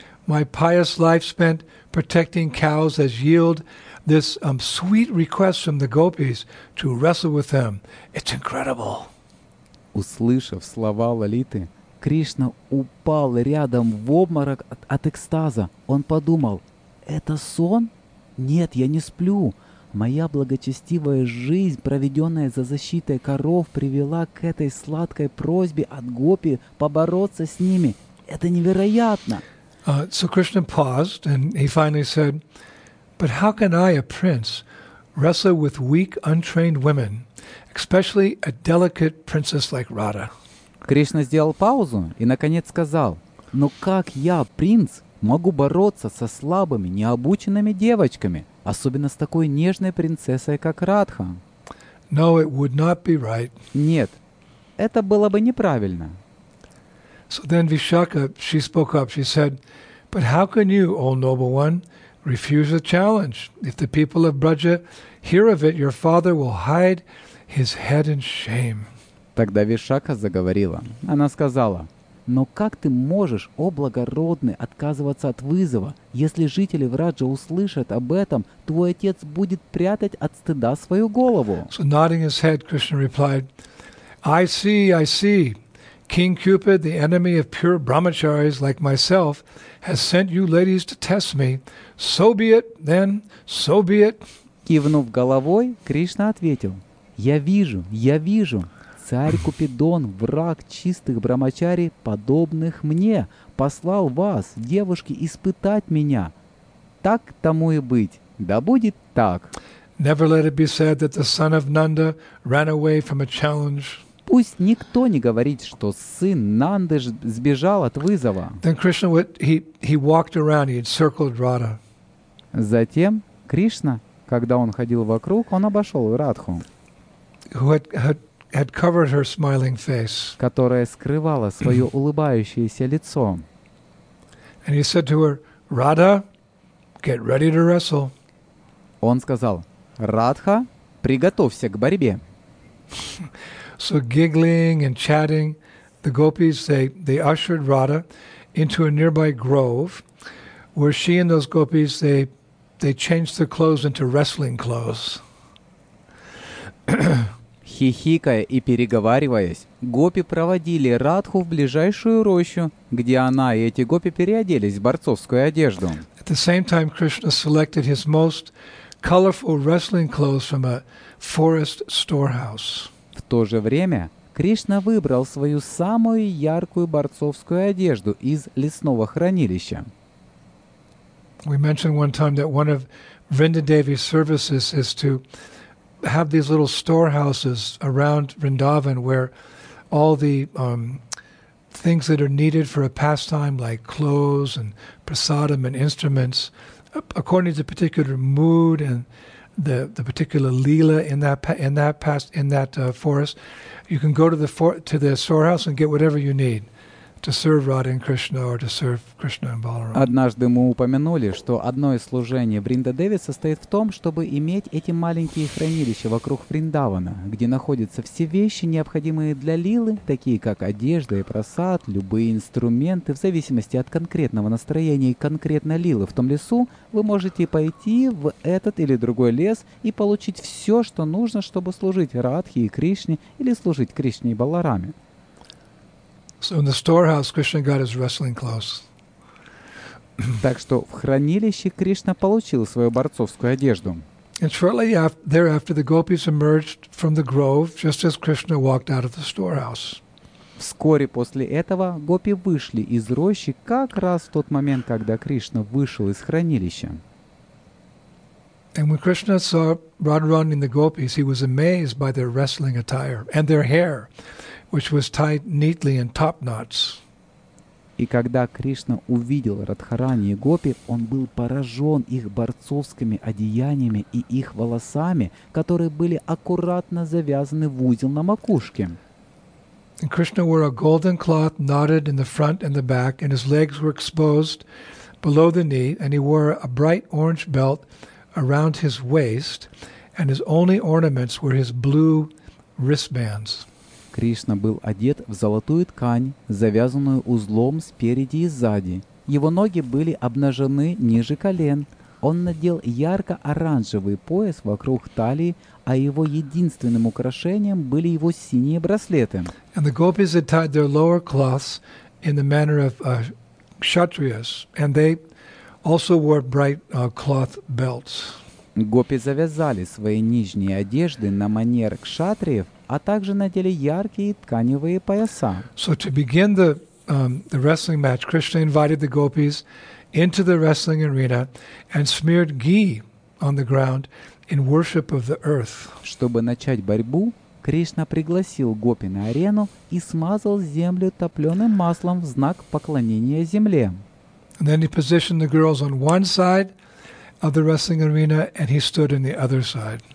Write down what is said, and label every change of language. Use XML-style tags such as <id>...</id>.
<en>My pious life spent protecting cows has yielded this sweet request from the gopis to wrestle with them. It's incredible."</en> <ru>Услышав слова Лалиты, Кришна упал рядом в обморок от экстаза. Он подумал: "Это сон? Нет, я не сплю. Моя благочестивая жизнь, проведенная за защитой коров, привела к этой сладкой просьбе от гопи побороться с ними. Это невероятно!"</ru> <en>So Krishna paused, and he finally said, "But how can I, a prince, wrestle with weak, untrained women, especially a delicate princess like Radha?"</en> <ru>Кришна сделал паузу и, наконец, сказал: "Но как я, принц, могу бороться со слабыми, необученными девочками, особенно с такой нежной принцессой, как Радха?"</ru> <en>No, it would not be right.</en> <ru>Нет, это было бы неправильно.</ru> <en>So then Vishakha, she spoke up, she said, "But how can you, O noble one, refuse a challenge? If the people of Braja hear of it, your father will hide his head in shame."</en> <ru>Тогда Вишакха заговорила. Она сказала: "Но как ты можешь, о благородный, отказываться от вызова? Если жители Враджа услышат об этом, твой отец будет прятать от стыда свою голову."</ru> <en>So nodding his head, Krishna replied, "I see, I see. King Cupid, the enemy of pure brahmacharis like myself, has sent you ladies to test me. So be it, then, so be it."</en> <ru>Кивнув головой, Кришна ответил: "Я вижу, я вижу. Царь Купидон, враг чистых брамачари, подобных мне, послал вас, девушки, испытать меня. Так тому и быть. Да будет так."</ru> <en>Never let it be said that the son of Nanda ran away from a challenge.</en> <ru>Пусть никто не говорит, что сын Нанды сбежал от вызова.</ru> <en>Then Krishna, he walked around, he encircled Radha.</en> <ru>Затем Кришна, когда он ходил вокруг, он обошел Радху,</ru> <en>had covered her smiling face,</en> <ru>которая скрывала свое улыбающееся лицо.</ru> <en>And he said to her, "Radha, get ready to wrestle."</en> <ru>Он сказал: "Радха, приготовься к борьбе."</ru> <en>So giggling and chatting, the gopis they ushered Radha into a nearby grove, where she and those gopis they changed their clothes into wrestling clothes.</en> <ru>Хихикая и переговариваясь, гопи проводили Радху в ближайшую рощу, где она и эти гопи переоделись в борцовскую одежду.</ru> <en>At the same time, Krishna selected his most colorful wrestling clothes from a forest storehouse.</en> <ru>В то же время Кришна выбрал свою самую яркую борцовскую одежду из лесного хранилища.</ru> <en>We mentioned one time that one of Vrindadevi's services is to have these little storehouses around Vrindavan where all the things that are needed for a pastime, like clothes and prasadam and instruments, according to the particular mood and the particular leela in that forest, you can go to the storehouse and get whatever you need to serve Radha and Krishna or to serve Krishna and Balaram.</en> <ru>Однажды мы упомянули, что одно из служений Вриндадеви состоит в том, чтобы иметь эти маленькие хранилища вокруг Вриндавана, где находятся все вещи, необходимые для лилы, такие как одежда и прасад, любые инструменты, в зависимости от конкретного настроения и конкретно лилы в том лесу, вы можете пойти в этот или другой лес и получить все, что нужно, чтобы служить Радхе и Кришне или служить Кришне и Балараме.</ru> <en>So in the storehouse, Krishna got his wrestling clothes.</en> <ru>Так что в хранилище Кришна получил свою борцовскую одежду.</ru> <en>And shortly thereafter, the gopis emerged from the grove just as Krishna walked out of the storehouse.</en> <ru>Вскоре после этого гопи вышли из рощи как раз в тот момент, когда Кришна вышел из хранилища.</ru> <en>And when Krishna saw Radharani and the gopis, he was amazed by their wrestling attire and their hair, which was tied neatly in top knots.</en> <ru>И когда Кришна увидел Радхарани и Гопи, он был поражен их борцовскими одеяниями и их волосами, которые были аккуратно завязаны в узел на макушке.</ru> <en>And Krishna wore a golden cloth knotted in the front and the back, and his legs were exposed below the knee, and he wore a bright orange belt around his waist, and his only ornaments were his blue wristbands.</en> <ru>Кришна был одет в золотую ткань, завязанную узлом спереди и сзади. Его ноги были обнажены ниже колен. Он надел ярко-оранжевый пояс вокруг талии, а его единственным украшением были его синие браслеты.</ru> <en>And the gopis had tied their lower cloths in the manner of kshatriyas, and they also wore bright cloth belts.</en> <ru>Гопи завязали свои нижние одежды на манер кшатриев, а также надели яркие тканевые пояса.</ru> <en>So to begin the wrestling match, Krishna invited the gopis into the wrestling arena and smeared ghee on the ground in worship of the earth.</en> <ru>Чтобы начать борьбу, Кришна пригласил гопи на арену и смазал землю топленым маслом в знак поклонения земле.</ru> <en>And then he positioned the girls on one side of the wrestling arena, and he stood on the other side.</en>